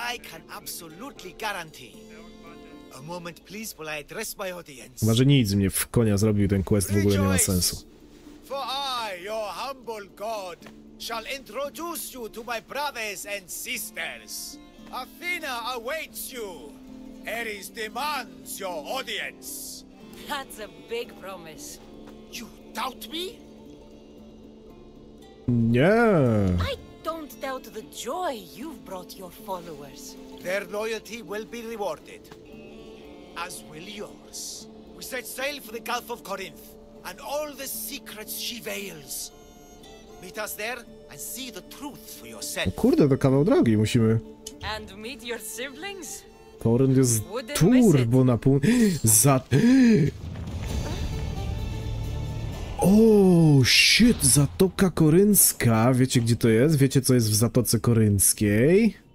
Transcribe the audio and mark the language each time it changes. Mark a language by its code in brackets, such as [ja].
[en] I can absolutely guarantee. A moment, please, while I address my audience. [pl] Może nic mnie w konia zrobił, ten quest w ogóle nie ma sensu. [en] For I, your humble god, shall introduce you to my brothers and sisters. Athena awaits you. Ares demands your audience. That's a big promise. You doubt me? Yeah. I don't doubt the joy you've brought your followers. Their loyalty will be rewarded, as will yours. We set sail for the Gulf of Corinth and all the secrets she veils. Meet us there and see the truth for yourself. [pl] O kurde, to kawał drogi, musimy. [en] And meet your siblings? [pl] Korund jest turbo na pół... Za... [en] Oh shit, [pl] Zatoka Korynska. Wiecie, gdzie to jest? Wiecie, co jest w Zatoce Korynskiej?